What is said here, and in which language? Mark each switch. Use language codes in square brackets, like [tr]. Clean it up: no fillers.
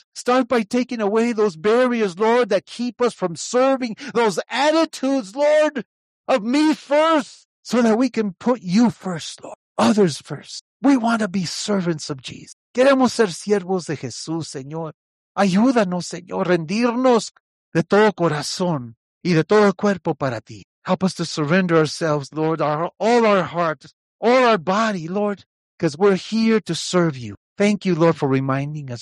[en] Start by taking away those barriers, Lord, that keep us from serving. Those attitudes, Lord, of me first, so that we can put you first, Lord. Others first. We want to be servants of Jesus. [es] Queremos ser siervos de Jesús, Señor. Ayúdanos, Señor, rendirnos de todo corazón y de todo cuerpo para ti. [en] Help us to surrender ourselves, Lord, all our hearts, all our body, Lord, because we're here to serve you. Thank you, Lord, for reminding us.